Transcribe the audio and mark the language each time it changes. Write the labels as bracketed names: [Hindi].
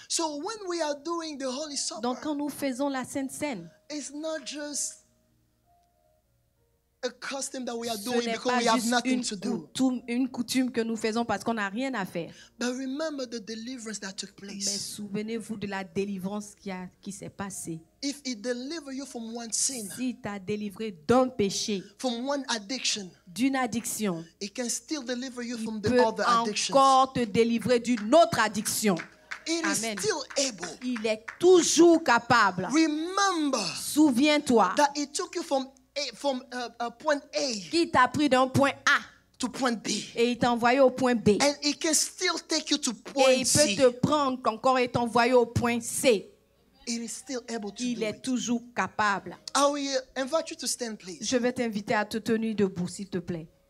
[English] So when we are doing the Holy Supper, [French] donc quand nous faisons la Sainte Cène, [English] it's not just a custom that we are doing because we have nothing to do. [French] Une coutume que nous faisons parce qu'on n'a rien à faire. [English] But remember the deliverance that took place. [French] Mais souvenez-vous de la délivrance qui s'est passée. [English] If it delivered you from one sin. [French] Si il t'a délivré d'un péché. [English] From one addiction. [French] D'une addiction. [English] It can still deliver you from the other addiction. [French] Peut encore te délivrer d'une autre addiction. [English] It is still able. [French] Il est toujours capable. [English] Remember. [French] Souviens-toi. [English] That it took you from point A. [French] Qui t'a pris d'un point A [English] to point B. [French] Et il t'a envoyé au point B. [English] And he can still take you to point [French] C. Et il peut te prendre encore et t'envoyer au point C. [English] It is still able to [French] il [English] do [French] est [English] it. [French] Toujours capable. [English] I will invite you to stand, please. [French] Je vais t'inviter à te tenir debout, s'il te plaît.